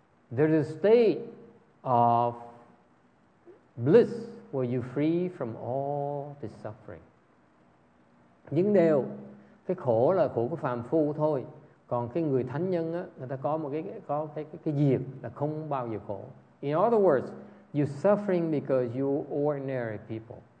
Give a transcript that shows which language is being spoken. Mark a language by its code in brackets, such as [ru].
[en] There's a state of bliss where you're free from all the suffering. [vi] Nhưng đều, cái khổ là khổ của phàm phu thôi. Còn cái người thánh nhân á, người ta có một cái diệt là không bao giờ khổ. [en] In other words, you're suffering because you're ordinary people.